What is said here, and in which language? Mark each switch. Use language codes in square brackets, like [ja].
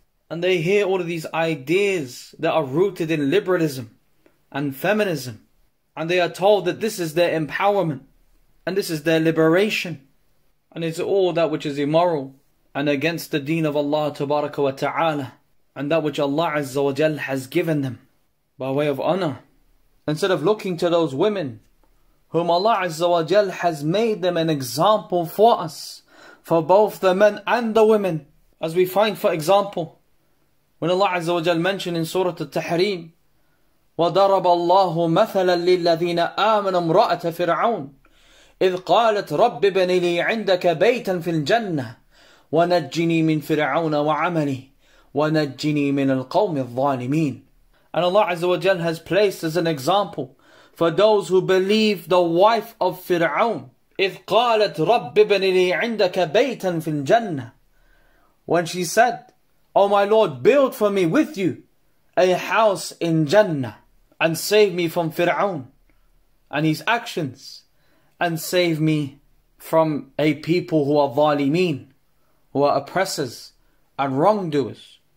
[en] And they hear all of these ideas that are rooted in liberalism and feminism, and they are told that this is their empowerment and this is their liberation, and it's all that which is immoral and against the deen of Allah tabaraka wa ta'ala, and that which Allah azza wa jal has given them by way of honor, instead of looking to those women whom Allah azza wa jal has made them an example for us, for both the men and the women. As we find, for example, when Allah Azza wa Jal mentioned in Surah At-Tahrim, [ar] وَضَرَبَ اللَّهُ مَثَلًا لِلَّذِينَ آمَنَ امْرَأَةَ فِرْعَوْنَ إِذْ قَالَتْ رَبِّ ابْنِ لِي عِنْدَكَ بَيْتًا فِي الْجَنَّةِ وَنَجِّنِي مِنْ فِرْعَوْنَ وَعَمَلِهِ وَنَجِّنِي مِنَ الْقَوْمِ الظَّالِمِينَ. [en] And Allah Azza wa Jal has placed as an example for those who believe the wife of Fir'aun, [ar] إِذْ قَالَتْ رَبِّ ابْنِ لِي عِنْدَكَ بَيْتًا فِي الْجَنَّةِ, [en] when she said, O my Lord, build for me with you a house in Jannah, and save me from Fir'aun and his actions, and save me from a people who are zalimeen, who are oppressors and wrongdoers.